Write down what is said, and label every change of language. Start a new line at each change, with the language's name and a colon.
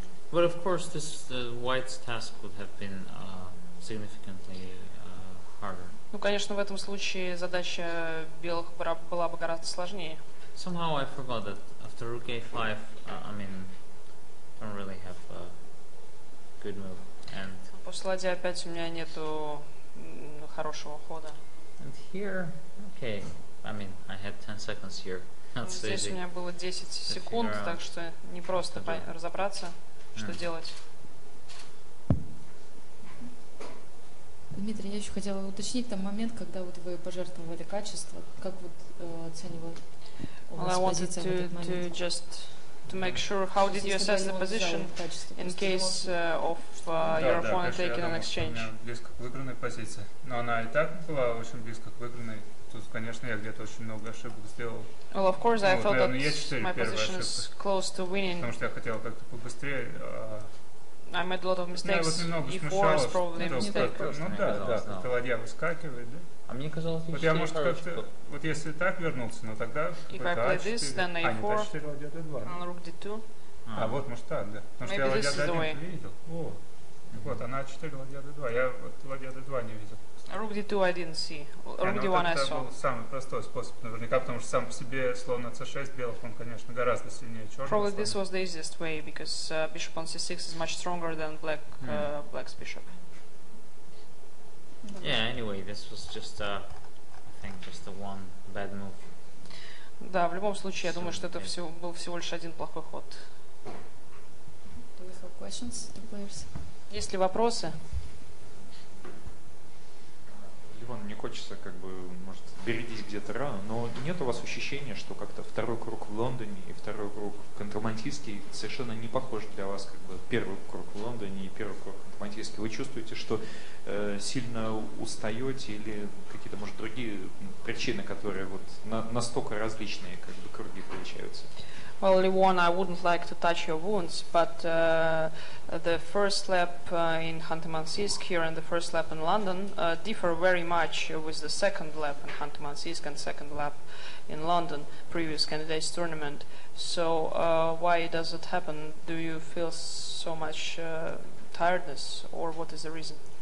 English: But of course, this white's task would have been significantly harder.
Russian: Ну, конечно, в этом случае задача белых была бы гораздо сложнее.
English: Somehow I forgot that after rook a5, don't really have a good move. And
Russian: после ладья опять у меня нету хорошего хода.
English: And here, okay, I had 10 seconds here.
Russian: Здесь у меня было 10 секунд, так что не просто разобраться, что делать. Дмитрий, я еще хотела уточнить там момент, когда вот вы пожертвовали качество. Как вот оценивали у вас позицию в этот момент?
English: To just to make sure, how did you assess the position in case of your opponent taking an exchange?
Russian: Да, близко к выигранной позиции. Но она и так была очень близко к выигранной. Тут, конечно, я где-то очень много ошибок сделал.
English: Well, of course, I thought that my position is close to winning.
Russian: Потому что я хотел как-то побыстрее.
English: I made a lot of mistakes.
Russian: Вот немного смущалось.
English: E4 is probably a mistake.
Russian: Ну да, да. Как-то ладья выскакивает, да? А мне казалось, вот я, может, как-то... Вот если так вернулся, но тогда...
English: If I play this, then A4.
Russian: А, нет, А4, ладья D2.
English: And rook D2.
Russian: А, вот, может, так, да. Потому что я ладья D1 не видел. Вот, она А4, ладья D2. Я вот ладья D2 не видел.
English: Rook d2 I didn't see. Rook d1 I saw.
Russian: Это был самый простой способ, наверняка, потому что сам по себе слон на c6 белых, он, конечно, гораздо сильнее черного.
English: Probably this was the easiest way because bishop on c6 is much stronger than black's bishop. Yeah, anyway, this was just just a one bad move.
Russian: Да, в любом случае, я думаю, что это был всего лишь один плохой ход.
English: Do we have questions to players?
Russian: Есть ли вопросы? Ливан, мне хочется, как бы, может, берегись где-то рано, но нет у вас ощущения, что как-то второй круг в Лондоне и второй круг в Кантамантийске совершенно не похож для вас, как бы, первый круг в Лондоне и первый круг в Кантамантийске? Вы чувствуете, что сильно устаете или какие-то, может, другие причины, которые вот настолько различные, как бы, круги получаются?
English: Well, Ливан, I wouldn't like to touch your wounds, but the first lap in Ханты-Мансийск here and the first lap in London differ very much with the second lap in Ханты-Мансийск and second lap in London, previous candidates tournament. So why does it happen? Do you feel so much tiredness, or what is the reason?